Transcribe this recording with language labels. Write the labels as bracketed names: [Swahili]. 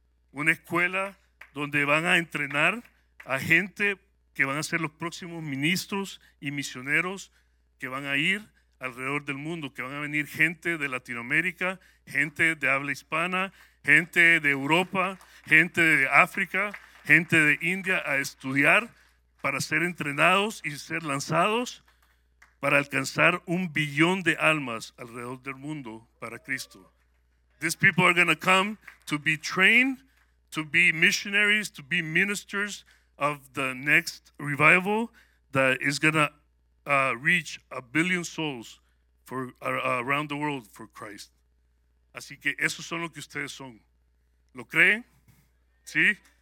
[Spanish] Una escuela donde van a entrenar a gente que van a ser los próximos ministros y misioneros que van a ir alrededor del mundo, que van a venir gente de Latinoamérica, gente de habla hispana, gente de Europa, gente de África, gente de India a estudiar para ser entrenados y ser lanzados para alcanzar 1 billón de almas alrededor del mundo para Cristo. [English] These people are going to come to be trained, to be missionaries, to be ministers of the next revival that is going to reach 1 billion souls for around the world for Christ. [Spanish] Así que esos son lo que ustedes son. ¿Lo creen? ¿Sí?